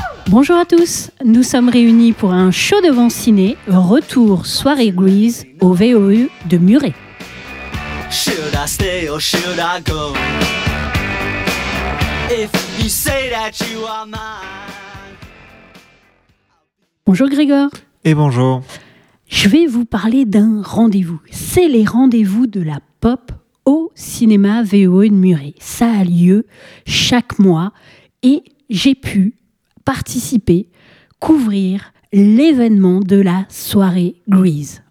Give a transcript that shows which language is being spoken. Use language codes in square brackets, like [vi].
[fr] Bonjour à tous, nous sommes réunis pour un show devant ciné, retour soirée Grease au VOU de Muret. [en] Should I stay or should I go? If you say that you are mine. [fr] Bonjour Grégoire. Et bonjour. Je vais vous parler d'un rendez-vous. C'est les rendez-vous de la pop au cinéma VOE de Muret. Ça a lieu chaque mois et j'ai pu participer, couvrir l'événement de la soirée Grease.